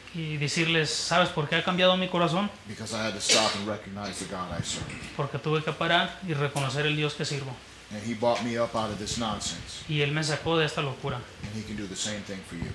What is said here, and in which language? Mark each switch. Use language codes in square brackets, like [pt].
[es] Y decirles, ¿sabes por qué ha cambiado mi corazón? [en] Because I had to stop and recognize the God I serve. [es] Porque tuve que parar y reconocer el Dios que sirvo. [en] And he brought me up out of this nonsense. [es] Y él me sacó de esta locura. [en] And he can do the same thing for you.